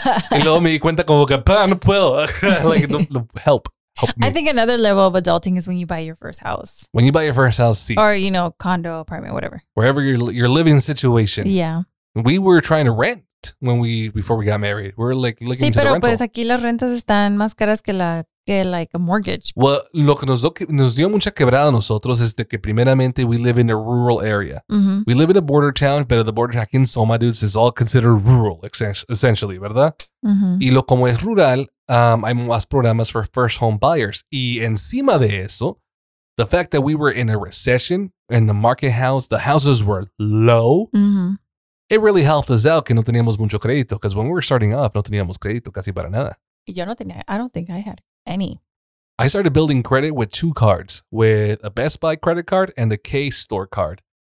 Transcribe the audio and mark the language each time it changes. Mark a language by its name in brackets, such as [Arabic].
[Spanish] Y luego me di cuenta como que, pa, no puedo. [English] Like, help. I think another level of adulting is when you buy your first house. When you buy your first house, see. Or, you know, condo, apartment, whatever. Wherever your living situation. Yeah. We were trying to rent before we got married. We're like looking for the rental. [Spanish] Sí, pero pues aquí las rentas están más caras que a mortgage. Well, lo que nos dio mucha quebrada a nosotros es de que primeramente we live in a rural area. Mm-hmm. [English] We live in a border town, pero the border town in Soma, dudes, is all considered rural, essentially, ¿verdad? Mm-hmm. [Spanish] Y lo como es rural, hay más programas for first home buyers. [English] Y encima de eso, the fact that we were in a recession and the market house, the houses were low, mm-hmm. It really helped us out que no teníamos mucho crédito. Because when we were starting off, no teníamos crédito casi para nada. Yo no tenía, I don't think I had any. I started building credit with two cards, with a Best Buy credit card and the K store card.